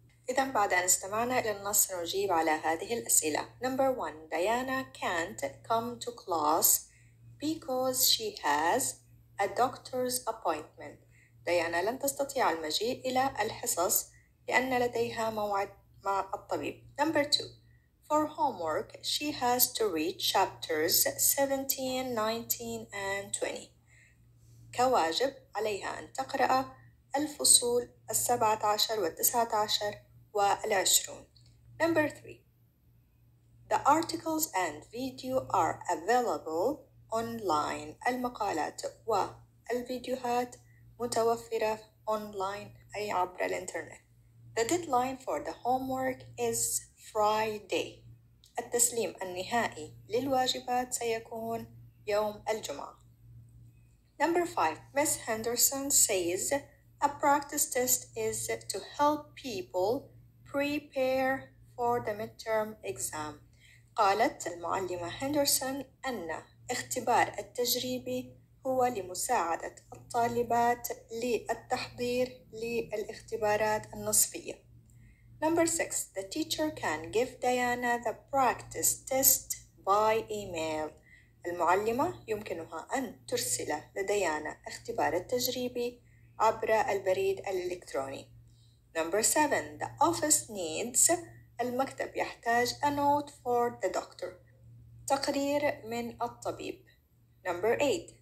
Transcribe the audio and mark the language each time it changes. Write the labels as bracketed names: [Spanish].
[Arabic] إذن بعد أن استمعنا إلى النص نجيب على هذه الأسئلة. [English] Number 1. Diana can't come to class because she has a doctor's appointment. [Arabic] ديانا لن تستطيع المجيء إلى الحصص لأن لديها موعد مع الطبيب. [English] Number 2. For homework, she has to read chapters 17, 19 and 20. [Arabic] كواجب عليها أن تقرأ الفصول 17 و19 والعشرون. [English] Number 3. The articles and video are available online. [Arabic] المقالات والفيديوهات متوفرة online أي عبر الإنترنت. [English] The deadline for the homework is Friday. [Arabic] التسليم النهائي للواجبات سيكون يوم الجمعة. [English] Number 5. Miss Henderson says a practice test is to help people prepare for the midterm exam. [Arabic] قالت المعلمة هندرسون أن اختبار التجريبي هو لمساعدة الطالبات للتحضير للاختبارات النصفية. [English] Number 6. The teacher can give Diana the practice test by email. [Arabic] المعلمة يمكنها أن ترسل لديانا اختبار التجريبي عبر البريد الإلكتروني. [English] Number 7. The office needs. [Arabic] المكتب يحتاج [English] a note for the doctor. [Arabic] تقرير من الطبيب. [English] Number 8.